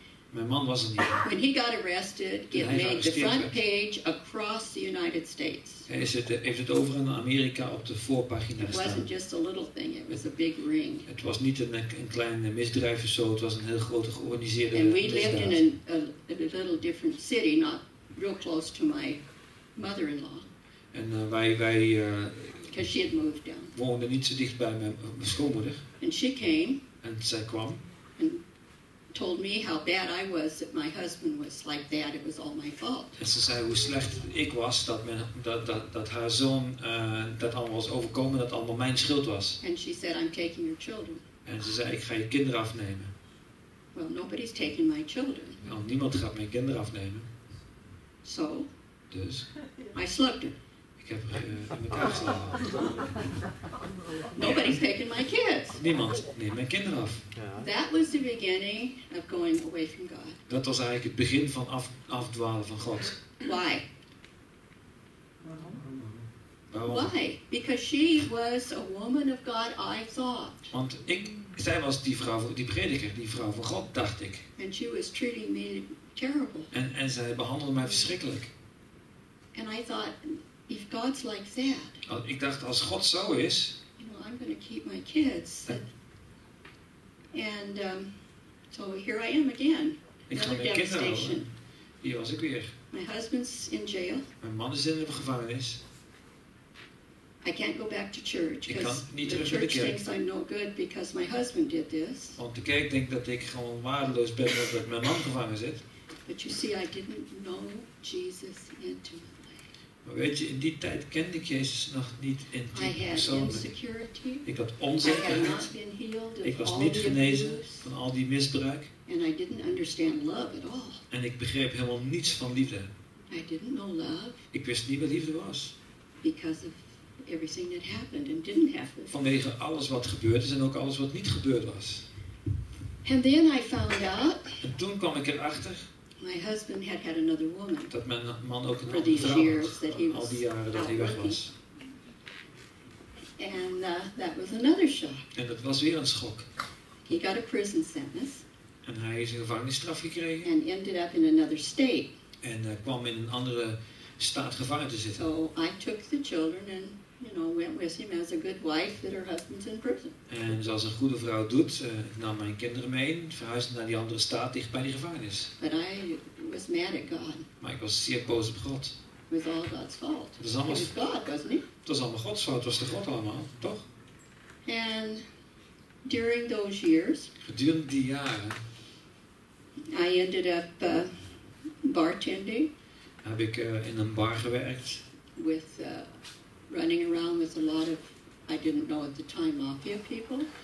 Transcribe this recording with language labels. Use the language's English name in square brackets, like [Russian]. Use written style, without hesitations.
[Dutch] Mijn man was er niet. [English] When he got arrested, it made the front page across the United States. [Dutch] Hij is het, heeft het overal in Amerika op de voorpagina gestaan. [English] It wasn't just a little thing, it was a big ring. [Dutch] Het was niet een klein misdrijf of zo, het was een heel grote georganiseerde misdaad. [English] And we lived in a little different city, not real close to my mother-in-law. [Dutch] En wij [English] because she had moved down. [Dutch] Woonde niet zo dicht bij mijn schoonmoeder. [English] And she came. [Dutch] En zij kwam. [English] And told me how bad I was that my husband was like that. It was all my fault. [Dutch] En ze zei hoe slecht ik was dat haar zoon dat allemaal was overkomen, dat allemaal mijn schuld was. [English] And she said, I'm taking your children. [Dutch] En ze zei ik ga je kinderen afnemen. [English] Well, nobody's taking my children. [Dutch] Nou, niemand gaat mijn kinderen afnemen. [English] So. [Dutch] Dus. [English] I slept it. [Dutch] Ik heb in elkaar geslagen. [English] Nobody's taking my kids. [Dutch] Niemand neemt mijn kinderen af. [English] Yeah. That was the beginning of going away from God. [Dutch] Dat was eigenlijk het begin van afdwalen van God. [English] Why? [Dutch] Waarom? [English] Why? Because she was a woman of God, I thought. [Dutch] Want zij was die vrouw, die prediker, die vrouw van God, dacht ik. [English] And she was treating me terrible. [Dutch] En zij behandelde mij verschrikkelijk. [English] And I thought, if God's like that, [Dutch] oh, ik dacht als God zo is, [English] you know, I'm going to keep my kids. And so here I am again. [Dutch] Ik ga mijn kinderen houden. Hier was ik weer. [English] My husband's in jail. [Dutch] Mijn man is in de gevangenis. I can't go back to church. Ik kan niet terug naar de kerk. [English] Thinks I'm no good because my husband did this. [Dutch] Want de kerk denkt dat ik gewoon waardeloos ben omdat mijn man gevangen zit. [English] But you see, I didn't know Jesus intimately. [Dutch] Maar weet je, in die tijd kende ik Jezus nog niet in die persoonlijk. Ik had onzekerheid. Ik was niet genezen van al die misbruik. [English] And I didn't understand love at all. [Dutch] En ik begreep helemaal niets van liefde. [English] I didn't know love. [Dutch] Ik wist niet wat liefde was. [English] Because of everything that happened and didn't happen. [Dutch] Vanwege alles wat gebeurd is en ook alles wat niet gebeurd was. [English] And then I found out, [Dutch] en toen kwam ik erachter. [English] My husband had had another woman. [Dutch] Dat mijn man ook een andere vrouw had. Al die jaren dat hij weg was. [English] And that was another shock. [Dutch] En dat was weer een schok. [English] He got a prison sentence. [Dutch] En hij is een gevangenisstraf gekregen. [English] And ended up in another state. [Dutch] En kwam in een andere staat gevangen te zitten. [English] So I took the children and, you know, went with him as a good wife that her husband's in prison. [Dutch] En zoals een goede vrouw doet, nam mijn kinderen mee en verhuisde naar die andere staat dicht bij die gevangenis. [English] But I was mad at God. [Dutch] Maar ik was zeer boos op God. [English] It was all God's fault. [Dutch] Het was allemaal [English] God, wasn't it? [Dutch] Het was allemaal Gods fout. Het was de God allemaal, toch? [English] And during those years, [Dutch] gedurende die jaren, [English] I ended up bartending. [Dutch] Heb ik in een bar gewerkt. [English] With running around with a lot of, I didn't know at the time, mafia people.